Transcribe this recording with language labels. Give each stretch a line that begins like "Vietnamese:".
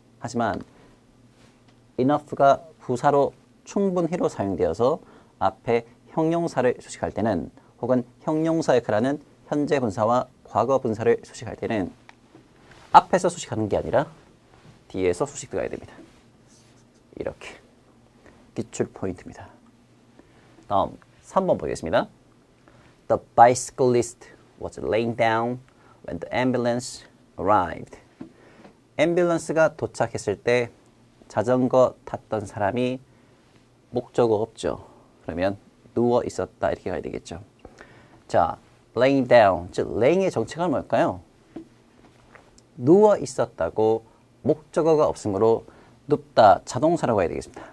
Korean: 하지만 enough가 부사로 충분히로 사용되어서 앞에 형용사를 수식할 때는 혹은 형용사 역할하는 현재 분사와 과거 분사를 수식할 때는 앞에서 수식하는 게 아니라 뒤에서 수식 들어가야 됩니다. 이렇게 기출 포인트입니다. 다음 3번 보겠습니다.
English: The bicyclist was laying down when the ambulance arrived.
Korean: 앰뷸런스가 도착했을 때 자전거 탔던 사람이 목적어 없죠. 그러면 누워 있었다 이렇게 가야 되겠죠. 자, laying down, 즉 laying의 정체가 뭘까요? 누워 있었다고 목적어가 없으므로 눕다 자동사라고 해야 되겠습니다.